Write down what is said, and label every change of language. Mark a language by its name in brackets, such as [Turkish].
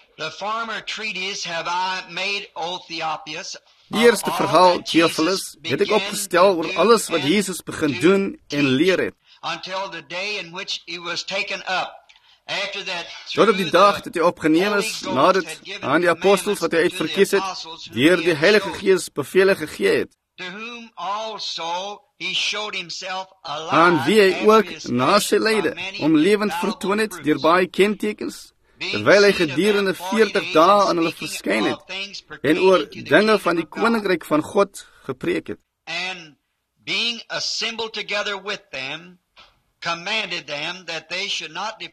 [English] The former treaties have I made, O Theophilus. [Afrikaans] Die eerste verhaal, Theophilus, het ek opgestel oor alles wat Jesus begin doen en leer het. [English] Until the day in which he was taken up. After that, [Afrikaans] tot op die dag dat hy opgeneem is, nadat aan die apostels wat hy uitverkies het, deur die Heilige Gees bevele gegee het. [English] To whom also he showed himself alive. [Afrikaans] Aan wie hy ook na sy lyde om lewend vertoon het deur baie kentekens. Terwyl hy gedurende 40 dae aan hulle verskyn het en oor dinge van die koninkryk van God gepreek het. [English] And being assembled together with them, commanded them that they should not depart.